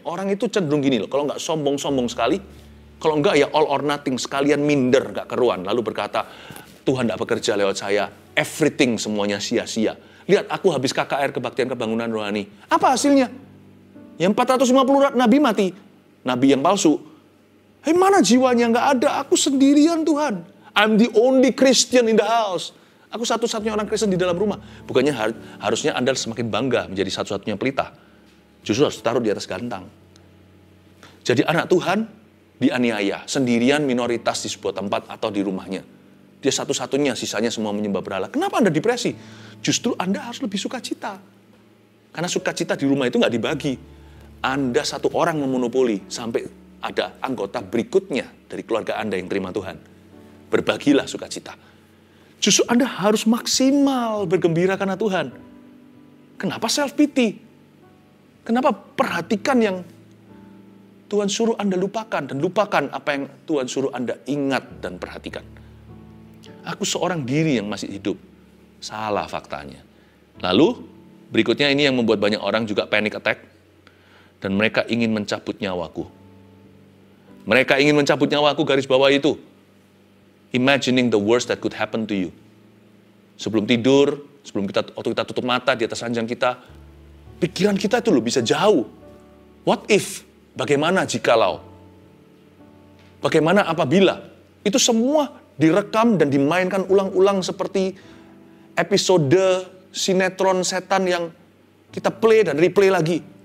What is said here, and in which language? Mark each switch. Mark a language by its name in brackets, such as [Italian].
[Indonesian] Orang itu cenderung gini loh, kalau nggak sombong-sombong sekali, kalau nggak ya [English] all or nothing, [Indonesian] sekalian minder, nggak keruan. Lalu berkata, Tuhan nggak bekerja lewat saya, everything semuanya sia-sia. Lihat aku habis KKR kebaktian kebangunan rohani. Apa hasilnya? Yang 450 nabi mati, nabi yang palsu. Hei, mana jiwanya? Nggak ada, aku sendirian Tuhan. [English] I'm the only Christian in the house. [Indonesian] Aku satu-satunya orang Kristen di dalam rumah. Bukannya harusnya Anda semakin bangga menjadi satu-satunya pelita. Justru harus taruh di atas gantang. Jadi anak Tuhan dianiaya, sendirian minoritas di sebuah tempat atau di rumahnya. Dia satu-satunya, sisanya semua menyembah berhala. Kenapa Anda depresi? Justru Anda harus lebih sukacita. Karena sukacita di rumah itu nggak dibagi. Anda satu orang memonopoli sampai ada anggota berikutnya dari keluarga Anda yang terima Tuhan. Berbagilah sukacita. Justru Anda harus maksimal bergembira karena Tuhan. Kenapa self-pity? Kenapa perhatikan yang Tuhan suruh Anda lupakan dan lupakan apa yang Tuhan suruh Anda ingat dan perhatikan? Aku seorang diri yang masih hidup. Salah faktanya. Lalu, berikutnya ini yang membuat banyak orang juga panic attack. Dan mereka ingin mencabut nyawaku. Mereka ingin mencabut nyawaku, garis bawah itu. [English] Imagining the worst that could happen to you. [Indonesian] Sebelum tidur, sebelum kita waktu kita tutup mata di atas ranjang kita, pikiran kita itu loh bisa jauh. [English] What if? [Indonesian] Bagaimana jikalau? Bagaimana apabila? Itu semua direkam dan dimainkan ulang-ulang seperti episode sinetron setan yang kita play dan replay lagi.